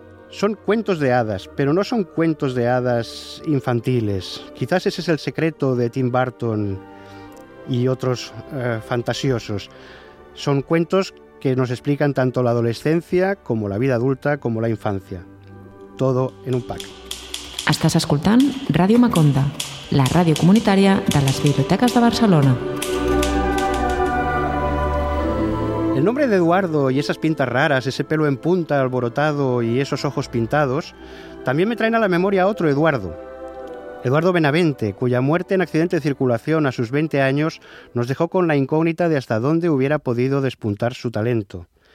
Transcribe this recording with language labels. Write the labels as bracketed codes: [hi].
[es] Son cuentos de hadas, pero no son cuentos de hadas infantiles. Quizás ese es el secreto de Tim Burton y otros fantasiosos. Son cuentos que nos explican tanto la adolescencia como la vida adulta, como la infancia. Todo en un pack. [ca] Estàs escoltant Ràdio Maconda, la ràdio comunitària de les biblioteques de Barcelona. [es] El nombre de Eduardo y esas pintas raras, ese pelo en punta alborotado y esos ojos pintados, también me traen a la memoria a otro Eduardo. Eduardo Benavente, cuya muerte en accidente de circulación a sus 20 años nos dejó con la incógnita de hasta dónde hubiera podido despuntar su talento.